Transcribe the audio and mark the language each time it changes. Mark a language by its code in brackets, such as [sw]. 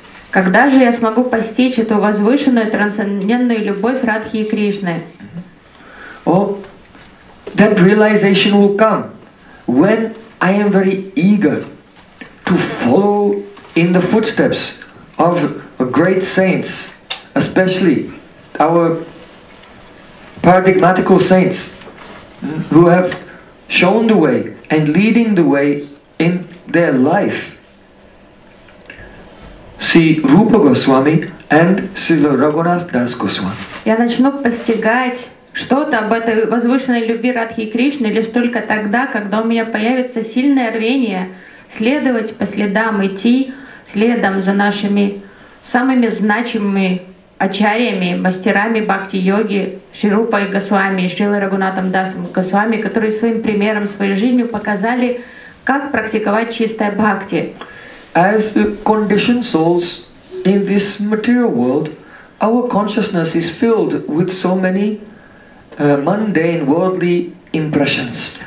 [ru] Когда же я смогу постичь эту возвышенную трансцендентную любовь Радхи и Кришны? [en] Oh, that realization will come when I am very eager to follow in the footsteps of great saints, especially our paradigmatical saints who have shown the way and leading the way in their life. See Rupa Goswami and Srila Raghunath Das Goswami. [ru] Я начну постигать что-то об этой возвышенной любви Радхи и Кришны лишь только тогда, когда у меня появится сильное рвение следовать по следам, идти следом за нашими самыми значимыми ачарьями, мастерами бхакти-йоги, Шри Рупой Госвами и Шрилой Рагунатом Дасом Госвами, которые своим примером, своей жизнью показали, как практиковать чистое бхакти. [en] As the conditioned souls in this material world, our consciousness is filled with so many mundane worldly impressions.